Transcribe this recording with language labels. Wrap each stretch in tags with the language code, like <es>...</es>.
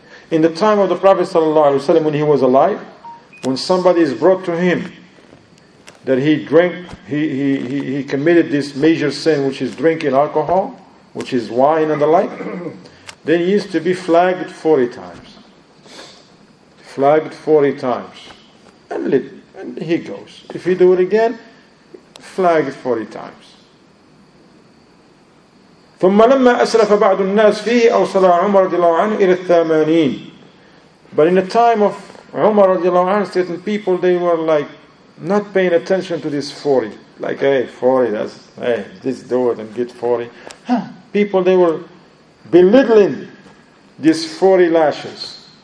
<en>In the time of the Prophet sallallahu alaihi wasallam, when he was alive, when somebody is brought to him that he drank, he committed this major sin, which is drinking alcohol, which is wine and the like, then he used to be flogged 40 times. Flogged 40 times. And he goes. If he do it again, flogged 40 times.</en> <ar>ثم لما أسلف بعض الناس فيه أوصل عمر رضي الله عنه إلى الثمانين.</ar> <en>But in the time of عمر رضي الله عنه, certain people, they were like not paying attention to this 40. Like, hey, 40, that's, hey, this do it and get 40. People, they were belittling these 40 lashes.</en>